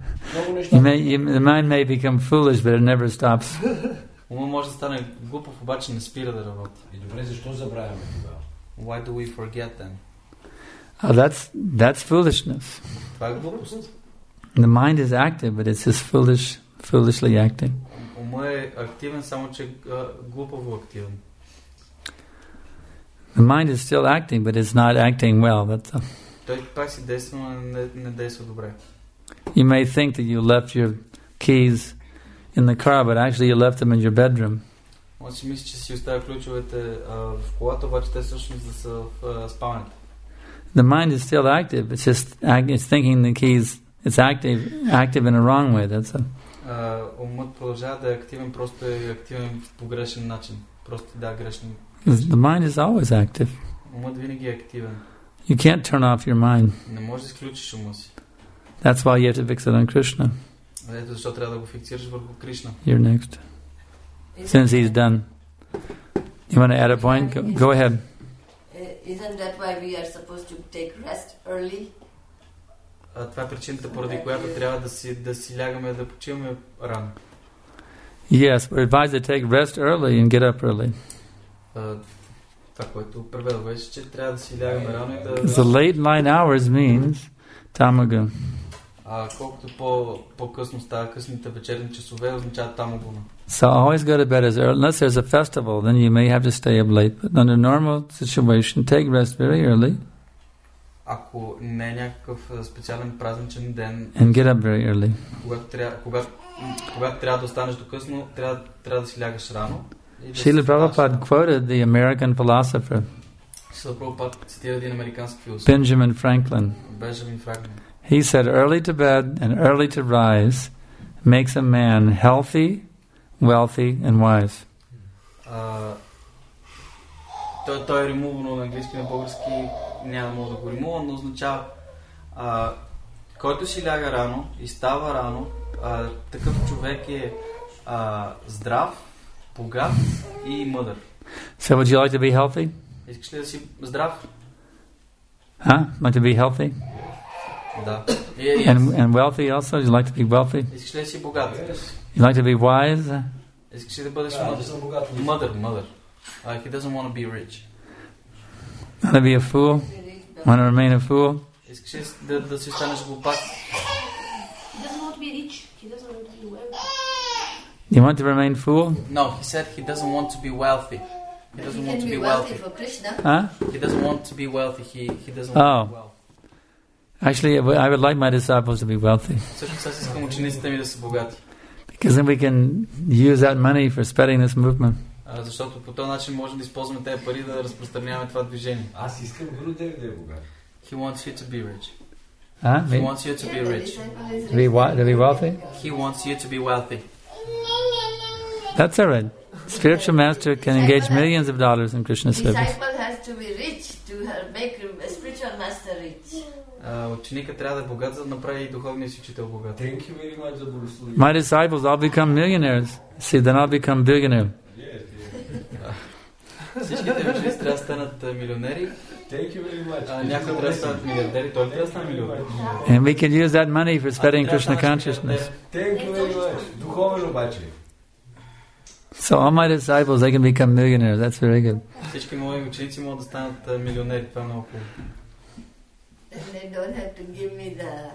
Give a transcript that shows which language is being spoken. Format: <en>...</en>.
<en>The mind may become foolish, but it never stops.</en> <bg>Умът може да стане глупов, обаче не спира да работи. И добре, защо забравяме това?</bg> <en>Why do we forget then? Oh, that's foolishness.</en> <bg>Това е глупост.</bg> <en>The mind is active, but it's just foolishly acting.</en> <bg>Умът е активен, само че глупаво активен.</bg> <en>The mind is still acting, but it's not acting well. That's a...</en> <bg>Той пак си действа, но не действа добре.</bg> <en>You may think that you left your keys in the car, but actually you left them in your bedroom.</en> <bg>Може си мисли, че си оставя ключовете в колата, обаче те всъщност са в спалнята.</bg> <en>The mind is still active, it's just it's thinking the keys, it's active in a wrong way, that's a...</en> <bg>Умът продължава да е активен, просто е активен по грешен начин. Просто да, грешен.</bg> <en>The mind is always active.</en> <bg>Умът винаги е активен.</bg> <en>You can't turn off your mind.</en> <bg>Не можеш да изключиш ума си.</bg> <en>That's why you have to fix it on Krishna.</en> <bg>Ето защо трябва да го фиксираш върху Кришна.</bg> <en>You're next. Since he's done. You want to add a point? Go ahead. Isn't that why we are supposed to take rest early?</en> <bg>Това е причината, поради която трябва да си лягаме, да почиваме рано.</bg> <en>Yes, we're advised to take rest early and get up early.</en> <bg>Това, което преведе, е, че трябва да си лягаме рано и да...</bg> <en>The late night hours means tamaguna.</en> <bg>Колкото по-късно става късните вечерни часове, означава tamaguna.</bg> <en>So always go to bed as early, unless there's a festival, then you may have to stay up late. But under normal situation, take rest very early.</en> <bg>Ако не е някакъв специален празничен ден,</bg> <en>and get up very early.</en> <bg>Когато трябва да останеш до късно, трябва да си лягаш рано.</bg> <en>Шрила Прабхупада quoted the American philosopher.</en> <bg>Шрила Прабхупада цитира един американски философ. Бенджамин Франклин.</bg> <en>He said, early to bed and early to rise makes a man healthy, wealthy and wise.</en> <bg>Той е римувано на английски и на български. Няма да мога да го римува, но означава Който си ляга рано и става рано, такъв човек е здрав, богат и мъдър.</bg> <en>So would you like to be healthy?</en> <bg>Искаш ли да си здрав?</bg> <en>Huh? Want to be healthy?</en> <bg>Да.</bg> <en>Yes. And wealthy also? Would you like to be wealthy?</en> <bg>Искаш ли да си богат?</bg> <en>Yes. You like to be wise?</en> <bg>Искаш ли да бъдеш мъдър? Мъдър.</bg> <en>He doesn't want to be rich. Want to be a fool? Want to remain a fool? Искаш ли да си станеш глупак? He doesn't want to be rich. He doesn't want to be wealthy. You want to remain fool? No, he said he doesn't want to be wealthy. He doesn't want to be wealthy. He can be wealthy for Krishna. Huh? He doesn't want to be wealthy. He doesn't want to be wealthy. Actually, I would like my disciples to be wealthy. Because then we can use that money for spreading this movement.</en> <bg>Защото по този начин можем да използваме тези пари да разпространяваме това движение. Аз искам Гуру Дев да е богат.</bg> <en>He wants you to be rich. Huh? He wants you to be rich. To be wealthy? He wants you to be wealthy. That's all right. Spiritual master can engage millions of dollars in Krishna service. Disciple has to be rich to make a spiritual master rich.</en> <bg>Ученика трябва да е богат, за да направи и духовния си учител богат.</bg> <en>Thank you very much</en> <bg>за благословията.</bg> <en>My disciples, I'll become millionaires. See, then I'll become billionaire.</en> <bg>Всичките ученици трябва да станат милионери.</bg> <en>Thank you very much.</en> <bg>Някой трябва да станат милиардери, той трябва да стане милионер.</bg> <en>And we can use that money for spreading Krishna consciousness. Thank you very much.</en> <bg>Духовен обаче.</bg> <en>So all my disciples, they can become millionaires. That's very good.</en> <bg>Всички мои ученици могат да станат милионери. Това е много хубаво.</bg> <en>And they don't have to give me the...</en>